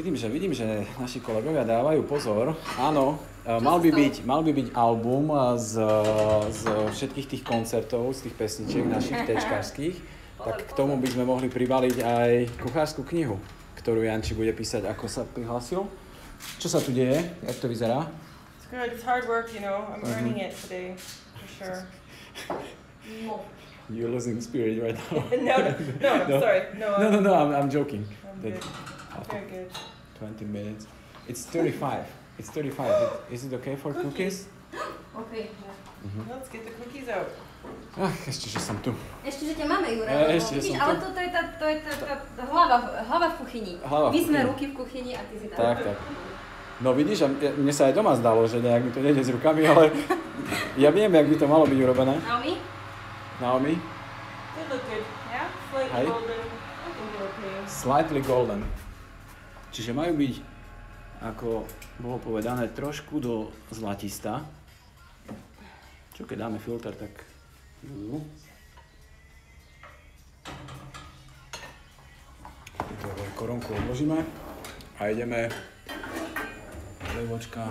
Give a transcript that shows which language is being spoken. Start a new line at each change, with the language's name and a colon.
Slovak: Vidím, že naši kolegovia dávajú pozor. Áno, mal by byť album z všetkých tých koncertov, z tých pesničiek našich tečkárskych. Tak k tomu by sme mohli pribaliť aj kuchársku knihu, ktorú Janči bude písať, ako sa prihlásil. Čo sa tu deje? Jak to vyzerá?
English: It's good, it's hard work, you know. I'm learning it today, for sure. No. You're losing spirit right now. No, sorry. No, I'm joking. I'm good. Very good. 20 minutes. It's 35. It's 35. Is it okay for cookies? Okay. Yeah. Mm-hmm. Let's get the cookies out.
Slovak: Ach, ešte, že som tu. Ešte, že ťa máme, Jura. Ale toto je tá hlava v kuchyni. Hlava v kuchyni. My sme ruky v kuchyni a ty si tam. Tak. No vidíš, mne sa aj doma zdalo, že nejak mi to nejde s rukami, ale ja viem, jak by to malo byť urobené.
English: Naomi? You look good. Yeah? Slightly hey? Golden. I think you're okay. Slightly golden.
Slovak: Čiže majú byť, ako bolo povedané, trošku do zlatista. Čo keď dáme filter, tak... Dobre, korunku odložíme a ideme... Levočka.